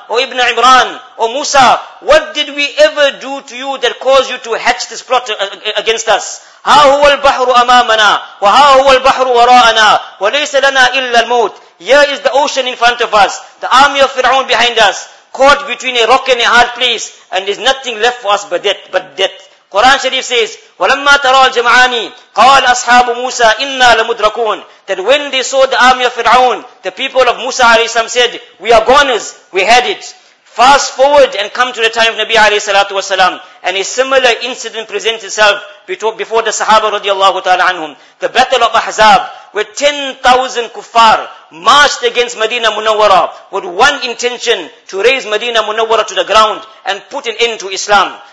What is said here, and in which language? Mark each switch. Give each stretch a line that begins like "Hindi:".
English: O Ibn Imran, O Musa, what did we ever do to you that caused you to hatch this plot against us?
Arabic: هَا هُوَ الْبَحْرُ أَمَامَنَا وَهَا هُوَ الْبَحْرُ وَرَاءَنَا وَلَيْسَ لَنَا إِلَّا الْمَوْتِ.
English: Here is the ocean in front of us, the army of Fir'aun behind us, caught between a rock and a hard place, and there's nothing left for us but death. Quran Sharif says,
Arabic: وَلَمَّا تَرَى الْجَمْعَانِ قَالَ أَصْحَابُ مُوسَى إِنَّا لَمُدْرَكُونَ.
English: That when they saw the army of Fir'aun, the people of Musa alayhi salam said, we are goners, we had it. Fast forward and come to the time of Nabi alayhi salatu wasalam, and a similar incident presents itself before the Sahaba radiallahu ta'ala anhum. The battle of Ahzab, where 10,000 kuffar marched against Medina Munawwara with one intention, to raise Medina Munawwara to the ground and put an end to Islam.